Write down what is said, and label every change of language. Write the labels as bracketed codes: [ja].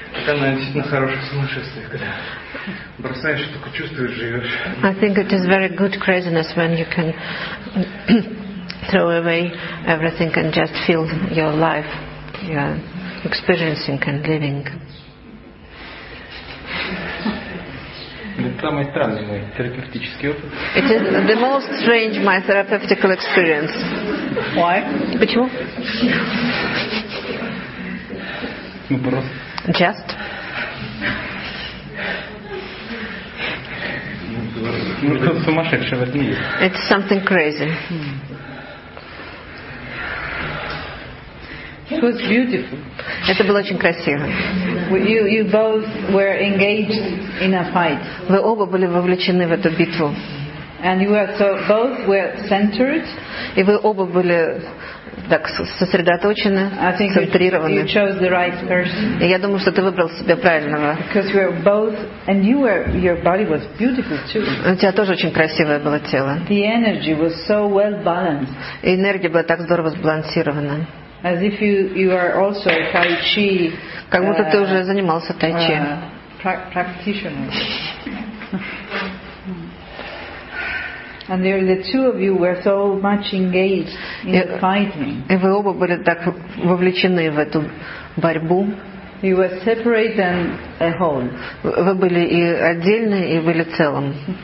[en] I think it is very good craziness when you can throw away everything and just feel your life, your experiencing and living. [ru] самый странный мой терапевтический опыт. [en] It is the most strange my therapeutical experience. Why? [ru] Почему? Ну просто. [en] Just. [ru] Ну что-то сумасшедшее в этом мире. [en] It's something crazy. It was beautiful. [ru] Это было очень красиво. [en] You both were engaged in a fight. [ru] Вы оба были вовлечены в эту битву. [en] And you were so both were centered. [ru] И вы оба были так сосредоточены, центрированы. [en] You chose the right person. [ru] И я думаю, что ты выбрал себе правильного. [en] Because you were both, and you were, your body was beautiful too. [ru] У тебя тоже очень красивое было тело. [en] The energy was so well balanced. [ru] И энергия была так здорово сбалансирована. [en] As if you are also a tai chi. [ru] Как будто ты уже занимался тай чи. [en] Practitioner. And there, the two of you were so much engaged in fighting. [ru] И вы оба были так вовлечены в эту борьбу. [en] You were separate and a whole. [ru] Вы были и отдельны, и были целым.